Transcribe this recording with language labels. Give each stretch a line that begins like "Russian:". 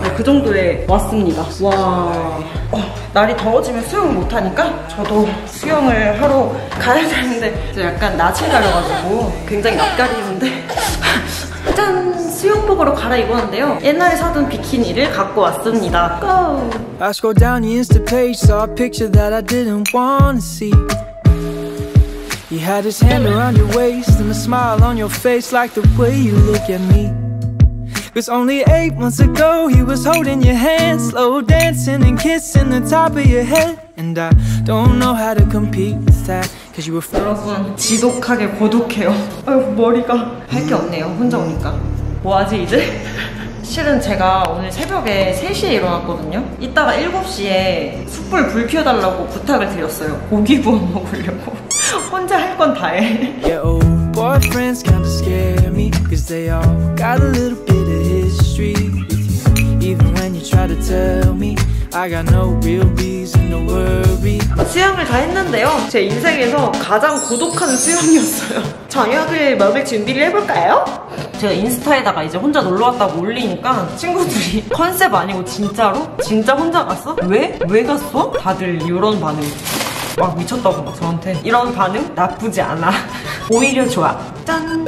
Korean: 네, 그 정도에 왔습니다. 와, 날이 더워지면 수영을 못하니까 저도 수영을 하러 가야 되는데, 저 약간 낯이 가려가지고 굉장히 낯가리는데 짠! 수영복으로 갈아입었는데요. 옛날에 사둔 비키니를 갖고 왔습니다.
English: Go! I scroll down the Insta page, saw a picture that I didn't wanna see. He had his hand around your waist and a smile on your face like the way you look at me. It was only 8 months ago he was holding your hand, slow dancing and kissing the top of your head. And I don't know how to compete with that.
Korean: 여러분 지독하게 고독해요. 아유 머리가. 할 게 없네요 혼자 오니까. 뭐하지 이제? 실은 제가 오늘 새벽에 3시에 일어났거든요. 이따가 7시에 숯불 불 켜달라고 부탁을 드렸어요. 고기 구워 먹으려고. 혼자 할 건 다 해.
English: Yeah, old boyfriends kind of scare me, cause they all got a little bit of history with you. Even when you try to tell me, I got no real reason to worry.
Korean: 수영을 다 했는데요. 제 인생에서 가장 고독한 수영이었어요. 저녁을 먹을 준비를 해볼까요? 제가 인스타에다가 이제 혼자 놀러 왔다고 올리니까 친구들이 컨셉 아니고 진짜로? 진짜 혼자 갔어? 왜? 왜 갔어? 다들 이런 반응. 막 미쳤다고 막 저한테. 이런 반응? 나쁘지 않아. 오히려 좋아. 짠!